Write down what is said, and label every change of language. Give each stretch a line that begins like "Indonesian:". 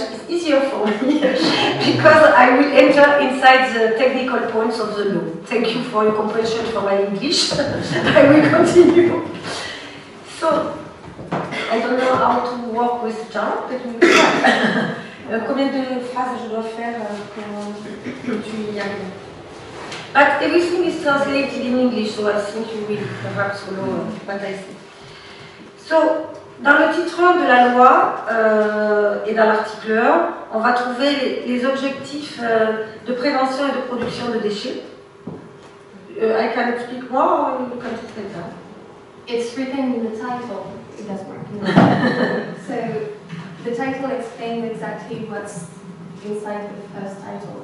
English: It's easier for me because I will enter inside the technical points of the law. Thank you for your comprehension for my English. I will continue. So, I don't know how to work with John, but we will try.
French: Combien de phrases je dois faire pour que tu y arrives?
English: But everything is translated in English, so I think you will perhaps follow what I say.
French: So, dans le titre 1 de la loi et dans l'article 1, on va trouver les objectifs de prévention et de production de déchets.
English: I can explain more or you can explain that? It's written in the title. It does work. So, the title explains exactly what's inside the first title.